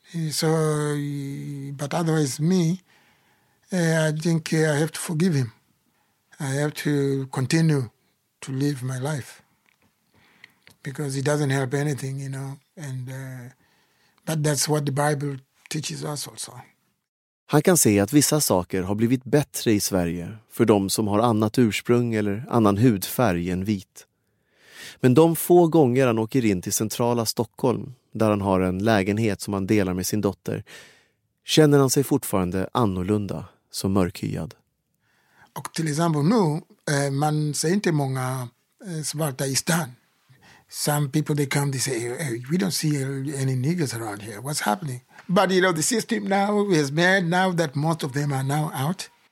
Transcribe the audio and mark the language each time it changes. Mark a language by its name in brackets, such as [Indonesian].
[English] So, but otherwise, me, I think I have to forgive him. I have to continue to live my life. Because it doesn't help anything, you know. But that's what the Bible teaches us also. [Swedish] Han kan se att vissa saker har blivit bättre i Sverige för de som har annat ursprung eller annan hudfärg än vit. Men de få gånger han åker in till centrala Stockholm, där han har en lägenhet som han delar med sin dotter, känner han sig fortfarande annorlunda, som mörkhyad. Och till exempel nu, man ser inte många svarta i stan. [English] Some people they come, they say, hey, we don't see any niggas around here. What's happening? But you know, the system now is mad now that most of them are now out.